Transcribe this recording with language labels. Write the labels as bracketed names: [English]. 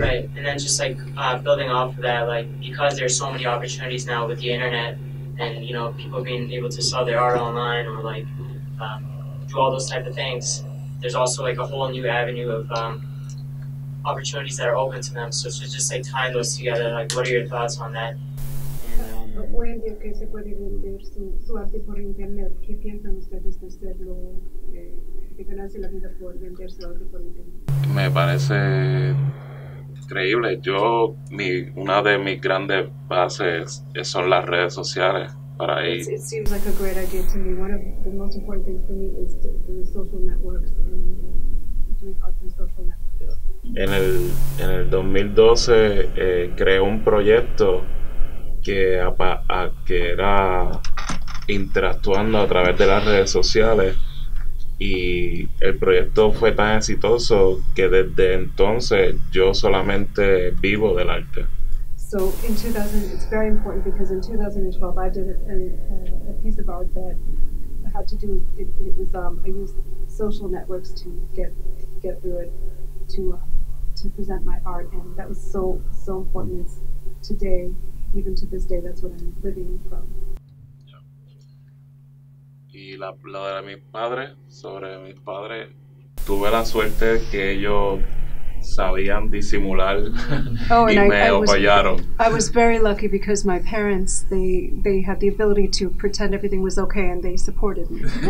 [English] Right, and then just like building off of that, like because there's so many opportunities now with the internet and, you know, people being able to sell their art online or like do all those type of things, there's also like a whole new avenue of opportunities that are open to them. So it's just like tying those together, like what are your thoughts on that? [Spanish] Hoy en día que se puede vender su arte por internet, ¿qué piensan ustedes de hacerlo, de ganarse la vida por vender su arte por internet? Me parece increíble. Una de mis grandes bases son las redes sociales. Para ahí. [English] It seems like a great idea to me. One of the most important things for me is the social networks and doing art in social networks. [Spanish] En el 2012 creé un proyecto que era interactuando a través de las redes sociales, y el proyecto fue tan exitoso que desde entonces yo solamente vivo del arte. [English] So So in 2000, it's very important because in 2012 I did a piece of art that had to do with, it was I used social networks to get through it to present my art, and that was so important. It's today, even to this day, that's what I'm living from. [Spanish] Y la de mi padre, sobre mi padre, tuve la suerte que ellos sabían disimular y me apoyaron. [English] I was very lucky because my parents, they had the ability to pretend everything was okay and they supported me.